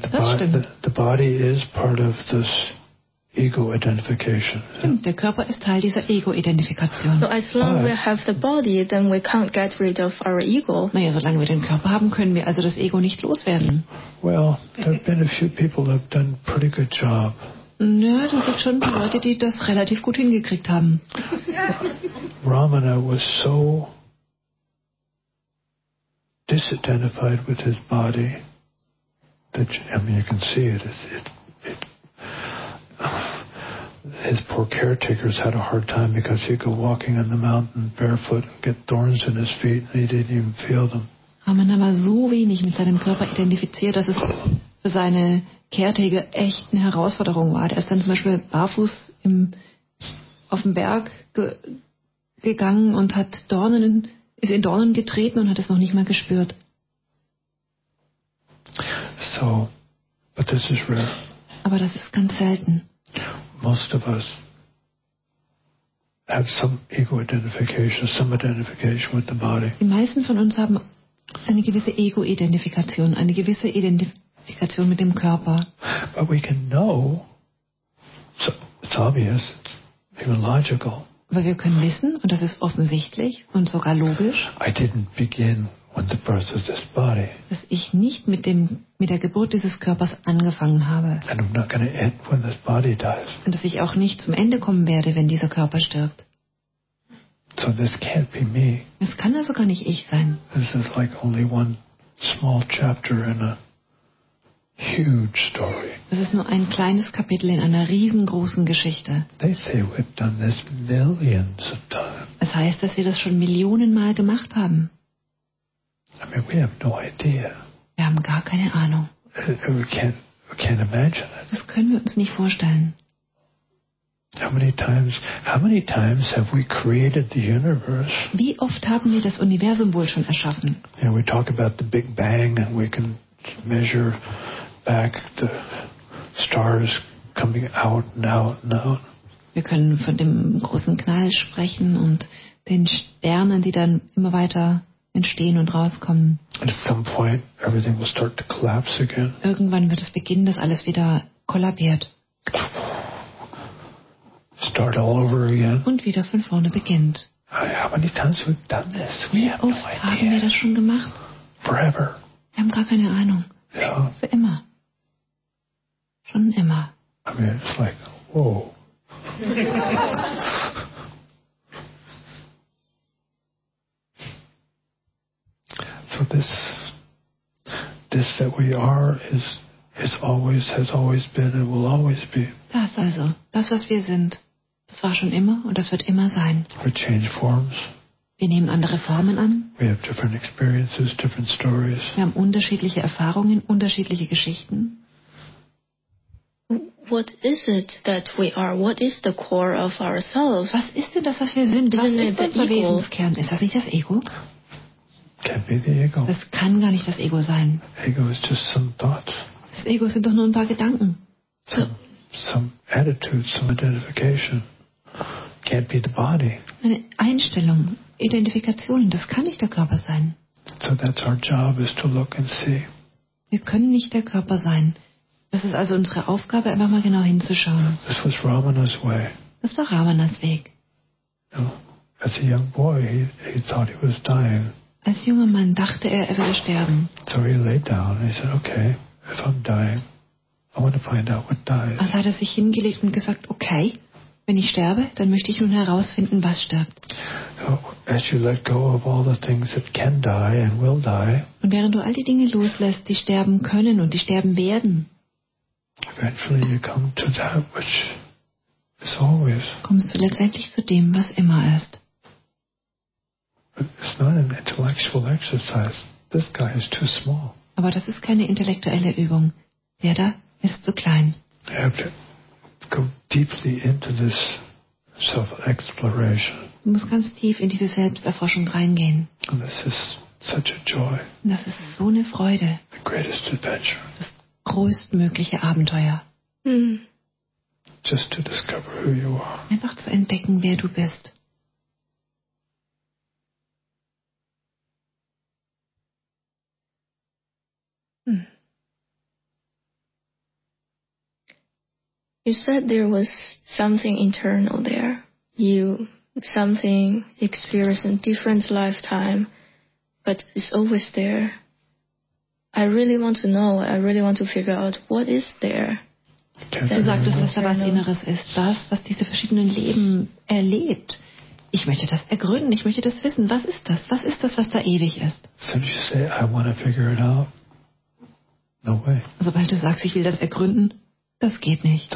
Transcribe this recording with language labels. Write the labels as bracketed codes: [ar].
[en] The body is part of this ego identification. [de] Stimmt, der Körper ist Teil dieser Ego-Identifikation. [en] So as long we have the body, then we can't get rid of our ego. [de] Naja, solange wir den Körper haben, können wir also das Ego nicht loswerden. [en] Well, there have been a few people that have done a pretty good job. [de] Naja, da gibt schon Leute, die das relativ gut hingekriegt haben. [en] Ramana was so disidentified with his body that, I mean, you can see it. His poor caretakers had a hard time because he'd go walking on the mountain barefoot and get thorns in his feet and he didn't even feel them. [de] Ramana war so wenig mit seinem Körper identifiziert, dass es für seine Caretaker echt eine Herausforderung war. Er ist dann zum Beispiel barfuß auf den Berg gegangen und hat ist in Dornen getreten und hat es noch nicht mal gespürt. [en] So, but this is rare. [de] Aber das ist ganz selten. [en] Most of us have some ego identification, some identification with the body. [de] Die meisten von uns haben eine gewisse Ego-Identifikation, eine gewisse Identifikation mit dem Körper. [en] But we can know, so it's obvious, it's even logical. [de] Aber wir können wissen, und das ist offensichtlich und sogar logisch, [en] I didn't begin with the birth of this body. [de] Dass ich nicht mit der Geburt dieses Körpers angefangen habe. [en] And I'm not gonna end when this body dies. [de] Und dass ich auch nicht zum Ende kommen werde, wenn dieser Körper stirbt. [en] So this can't be me. [de] Das kann also gar nicht ich sein. [en] This is like only one small chapter in a huge story. [de] Das ist nur ein kleines Kapitel in einer riesengroßen Geschichte. [en] They say we've done this millions of times. [de] Es heißt, dass wir das schon Millionen Mal gemacht haben. [en] I mean, we have no idea. [de] Wir haben gar keine Ahnung. [en] We can't imagine it. [de] Das können wir uns nicht vorstellen. [en] How many times have we created the universe? [de] Wie oft haben wir das Universum wohl schon erschaffen? [en] Yeah, we talk about the Big Bang and we can measure back the stars coming out and out and out. [de] Wir können von dem großen Knall sprechen und den Sternen, die dann immer weiter entstehen und rauskommen. [en] At some point, everything will start to collapse again. [de] Irgendwann wird es beginnen, dass alles wieder kollabiert. [en] Start all over again. [de] Und wieder von vorne beginnt. [en] How many times have we done this? We [de] Wie [en] have [de] oft [en] no [de] haben [en] idea. [de] Wir das schon gemacht? [en] Forever. [de] Wir haben gar keine Ahnung. Ja. Für immer. Schon immer. [en] I mean, it's like, whoa. So this that we are is always, has always been and will always be. [de] Das also, das was wir sind, das war schon immer und das wird immer sein. [en] We change forms. [de] Wir nehmen andere Formen an. [en] We have different experiences, different stories. [de] Wir haben unterschiedliche Erfahrungen, unterschiedliche Geschichten. [en] What is it that we are? What is the core of ourselves? [de] Was ist denn das, was wir sind? Was ist denn unser Wesenskern? Ist das nicht das Ego? [en] Can't be the ego. [de] Das kann gar nicht das Ego sein. [en] Ego is just some thoughts. [de] Das Ego sind doch nur ein paar Gedanken. [en] Some attitude, some identification. Can't be the body. [de] Eine Einstellung, Identifikation, das kann nicht der Körper sein. [en] So that's our job, is to look and see. [de] Wir können nicht der Körper sein. Das ist also unsere Aufgabe, einfach mal genau hinzuschauen. [en] This was Ramana's way. [de] Das war Ramanas Weg. [en] As a young boy, he thought he was dying. [de] Als junger Mann dachte er, er würde sterben. [en] So he laid down and he said, okay, if I'm dying, I want to find out what dies. [de] Also hat er sich hingelegt und gesagt, okay, wenn ich sterbe, dann möchte ich nun herausfinden, was stirbt. [en] As you let go of all the things that can die and will die. [de] Und während du all die Dinge loslässt, die sterben können und die sterben werden. [en] Eventually you come to that which is always. [de] Kommst du letztendlich zu dem, was immer ist. [en] It's not an intellectual exercise. This guy is too small. [de] Aber das ist keine intellektuelle Übung. Der da ist zu klein. [en] Okay. Go deeply into this self-exploration. [de] Du musst ganz tief in diese Selbsterforschung reingehen. [en] And this is such a joy. [de] Und das ist so eine Freude. [en] The greatest adventure. [de] Das größtmögliche Abenteuer. [en] Just to discover who you are. [de] Einfach zu entdecken, wer du bist. [en] You said there was something internal there. You, something, experience in different lifetime, but it's always there. I really want to know, I really want to figure out, what is there? [de] Du sagtest, dass da was Inneres ist, das, was diese verschiedenen Leben erlebt. Ich möchte das ergründen, ich möchte das wissen. Was ist das? Was ist das, was da ewig ist? Sobald du sagst, [en] I want to figure it out, no way. [de] Sobald du sagst, ich will das ergründen, das geht nicht.